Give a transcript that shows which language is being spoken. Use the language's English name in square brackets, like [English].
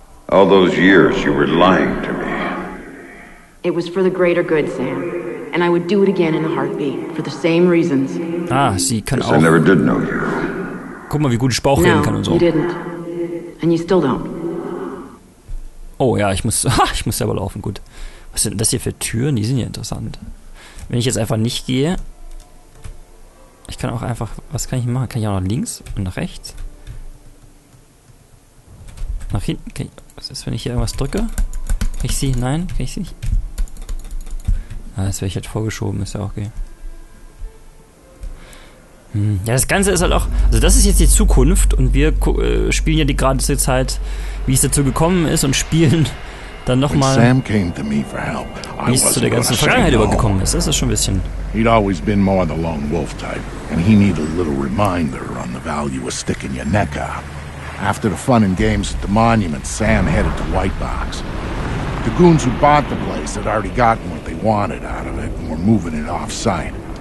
[English] All those years you were lying to me. It was for the greater good, Sam. And I would do it again in a heartbeat, for the same reasons. [German] Ah, sie kann auch. [English] I never did know you. [German] Guck mal, wie gut ich Bauch reden kann und so. [English] No, you didn't. And you still don't. [German] Oh ja, ich muss selber laufen, gut. Was sind das hier für Türen? Die sind ja interessant. Wenn ich jetzt einfach nicht gehe, ich kann auch einfach, was kann ich machen? Kann ich auch nach links und nach rechts? Nach hinten? Kann ich, was ist, wenn ich hier irgendwas drücke? Kann ich sie? Nein? Kann ich sie nicht? Ah, das wäre ich halt vorgeschoben, ist ja auch okay. Ja, das Ganze ist halt auch, also das ist jetzt die Zukunft und wir spielen ja die gerade zur Zeit, wie es dazu gekommen ist und spielen dann nochmal, wie es zu der ganzen Vergangenheit übergekommen ist. Das ist schon ein bisschen. [English] He'd always been more the lone wolf type and he needed a little reminder on the value of sticking your neck out. After the fun and games at the monument, Sam headed to White Box. The goons who bought the place had already gotten what they wanted out of it and were moving it off-site.